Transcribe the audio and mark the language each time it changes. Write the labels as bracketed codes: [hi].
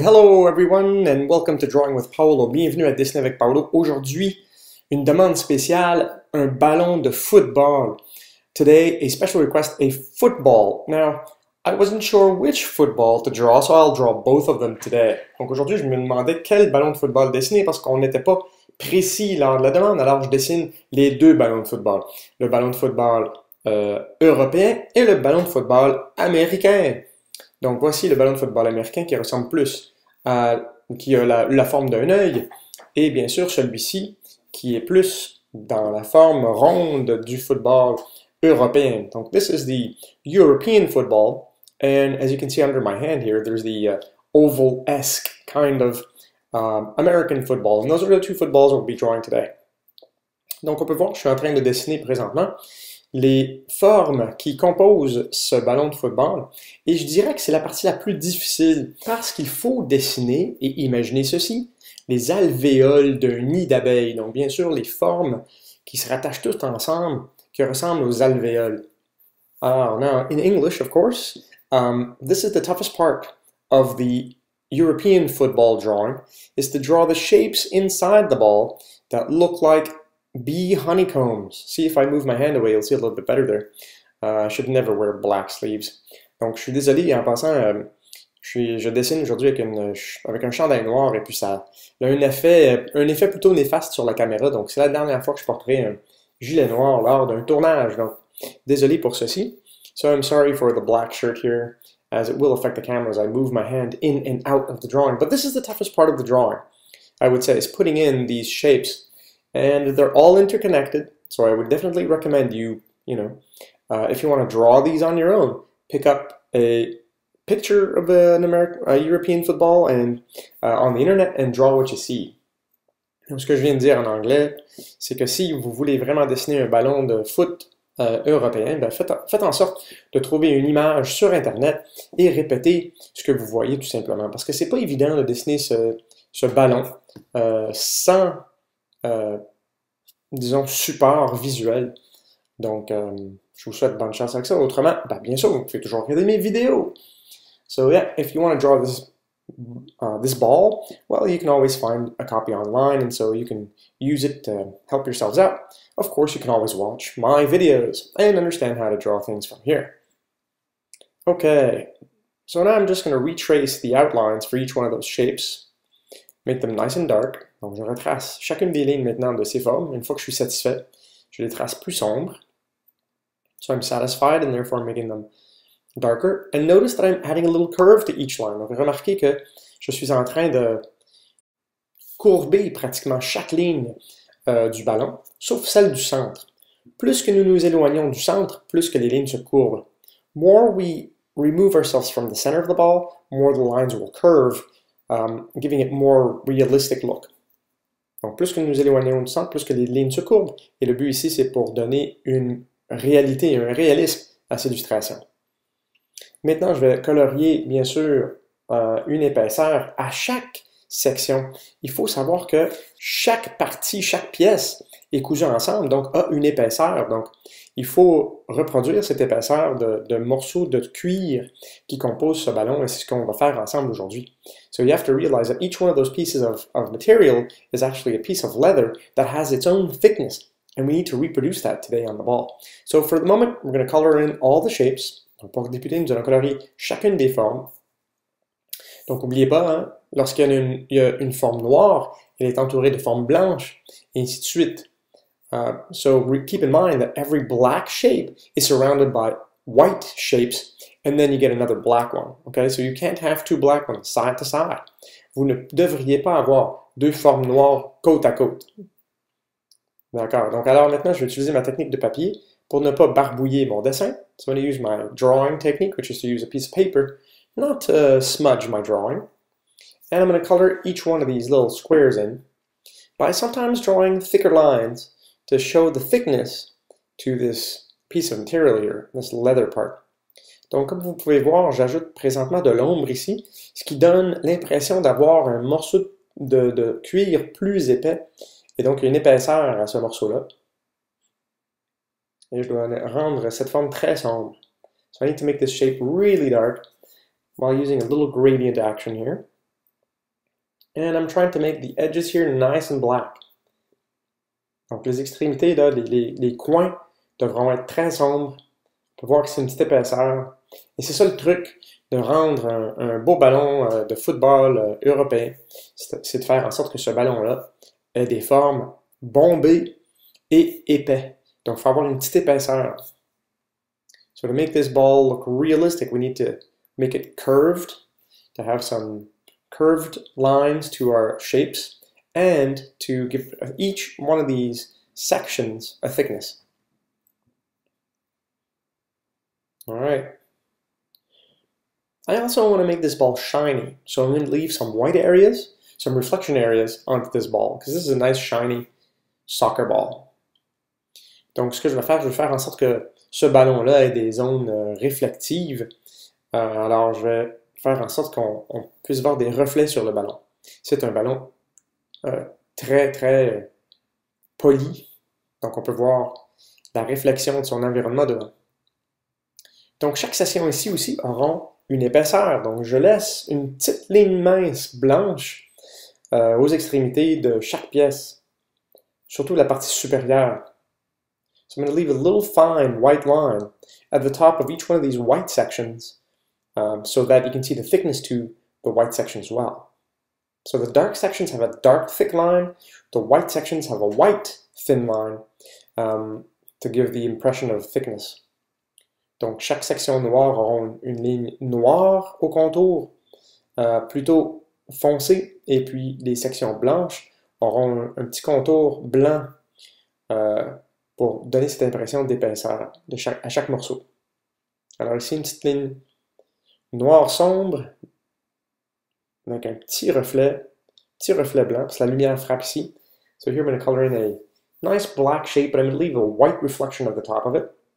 [en] Hello everyone and welcome to Drawing with Paolo. [fr] Bienvenue à Dessiner avec Paolo. Aujourd'hui, une demande spéciale, un ballon de football. [en] Today, a special request, a football. Now, I wasn't sure which football to draw, so I'll draw both of them today. [fr] Donc aujourd'hui, je me demandais quel ballon de football dessiner parce qu'on n'était pas précis lors de la demande. Alors, je dessine les deux ballons de football. Le ballon de football européen et le ballon de football américain. Donc voici le ballon de football américain qui ressemble plus à, qui a la forme d'un œil, et bien sûr celui-ci qui est plus dans la forme ronde du football européen. [en] Donc this is the European football, and as you can see under my hand here, there's the oval-esque kind of American football. And those are the two footballs we'll be drawing today. [fr] Donc on peut voir que je suis en train de dessiner présentement les formes qui composent ce ballon de football. Et je dirais que c'est la partie la plus difficile parce qu'il faut dessiner et imaginer ceci, les alvéoles d'un nid d'abeilles. Donc, bien sûr, les formes qui se rattachent toutes ensemble, qui ressemblent aux alvéoles. [en] Alors, now, in English, of course, this is the toughest part of the European football drawing, is to draw the shapes inside the ball that look like bee honeycombs. See, if I move my hand away, you'll see a little bit better there. I should never wear black sleeves. [fr] Donc, je suis désolé, en passant, je dessine aujourd'hui avec un chandail noir et puis ça a un effet plutôt néfaste sur la caméra. Donc, c'est la dernière fois que je porterai un gilet noir lors d'un tournage. Donc, désolé pour ceci. [en] So, I'm sorry for the black shirt here, as it will affect the camera as I move my hand in and out of the drawing. But this is the toughest part of the drawing, I would say, is putting in these shapes. And they're all interconnected, so I would definitely recommend if you want to draw these on your own, pick up a picture of a European football and on the internet and draw what you see. [fr] Donc, ce que je viens de dire en anglais, c'est que si vous voulez vraiment dessiner un ballon de foot européen, ben faites en sorte de trouver une image sur internet et répétez ce que vous voyez tout simplement. Parce que c'est pas évident de dessiner ce ballon sans... disons, support visuel. Donc, je vous souhaite bonne chance avec ça. Autrement, ben, bien sûr, vous pouvez toujours regarder mes vidéos. [en] So, yeah, if you want to draw this ball, well, you can always find a copy online, and so you can use it to help yourselves out. Of course, you can always watch my videos and understand how to draw things from here. Okay, so now I'm just going to retrace the outlines for each one of those shapes. Make them nice and dark. [fr] Donc, je retrace chacune des lignes maintenant de ces formes. Une fois que je suis satisfait, je les trace plus sombres. [en] So I'm satisfied and therefore making them darker. And notice that I'm adding a little curve to each line. [fr] Donc, remarquez que je suis en train de courber pratiquement chaque ligne du ballon, sauf celle du centre. Plus que nous nous éloignons du centre, plus que les lignes se courbent. [en] More we remove ourselves from the center of the ball, more the lines will curve, giving it more realistic look. [fr] Donc, plus que nous éloignons du centre, plus que les lignes se courbent. Et le but ici, c'est pour donner une réalité, un réalisme à cette illustration. Maintenant, je vais colorier, bien sûr, une épaisseur à chaque section. Il faut savoir que chaque partie, chaque pièce est cousue ensemble, donc a une épaisseur. Donc, il faut reproduire cette épaisseur de morceaux de cuir qui composent ce ballon, et c'est ce qu'on va faire ensemble aujourd'hui. [en] So you have to realize that each one of those pieces of material is actually a piece of leather that has its own thickness, and we need to reproduce that today on the ball. So for the moment, we're going to color in all the shapes. [fr] Donc, pour débuter, nous allons colorier chacune des formes. Donc, n'oubliez pas, hein, lorsqu'il y a une forme noire, elle est entourée de formes blanches, et ainsi de suite. [en] So we keep in mind that every black shape is surrounded by white shapes, and then you get another black one. Okay, so you can't have two black ones side to side. [fr] Vous ne devriez pas avoir deux formes noires côte à côte. D'accord. Donc alors maintenant, je vais utiliser ma technique de papier pour ne pas barbouiller mon dessin. [en] So I'm going to use my drawing technique, which is to use a piece of paper, not to smudge my drawing. And I'm going to color each one of these little squares in by sometimes drawing thicker lines to show the thickness to this piece of material here, this leather part. [fr] Donc, comme vous pouvez voir, j'ajoute présentement de l'ombre ici, ce qui donne l'impression d'avoir un morceau de cuir plus épais, et donc une épaisseur à ce morceau-là. Et je dois rendre cette forme très sombre. [en] So I need to make this shape really dark while using a little gradient action here. And I'm trying to make the edges here nice and black. [fr] Donc les extrémités, là, les coins devront être très sombres. On peut voir que c'est une petite épaisseur. Et c'est ça le truc de rendre un beau ballon de football européen. C'est de faire en sorte que ce ballon-là ait des formes bombées et épais. Donc il faut avoir une petite épaisseur. [en] So to make this ball look realistic, we need to make it curved, to have some curved lines to our shapes, and to give each one of these sections a thickness. All right. I also want to make this ball shiny, so I'm going to leave some white areas, some reflection areas onto this ball, because this is a nice shiny soccer ball. [fr] Donc, ce que je vais faire en sorte que ce ballon-là ait des zones réflectives. Alors, je vais faire en sorte qu'on puisse voir des reflets sur le ballon. C'est un ballon très, très poli. Donc, on peut voir la réflexion de son environnement devant. Donc, chaque section ici aussi auront une épaisseur. Donc, je laisse une petite ligne mince blanche aux extrémités de chaque pièce, surtout la partie supérieure. [en] So I'm going to leave a little fine white line at the top of each one of these white sections so that you can see the thickness to the white section as well. So the dark sections have a dark thick line, the white sections have a white thin line to give the impression of thickness. [fr] Donc chaque section noire aura une ligne noire au contour, plutôt foncée, et puis les sections blanches auront un petit contour blanc pour donner cette impression d'épaisseur à chaque morceau. Alors ici, une petite ligne noire sombre, avec un petit reflet blanc, parce que la lumière frappe ici. [en] So here I'm going to color in a nice black shape, but I'm going to leave a white reflection at the top of it.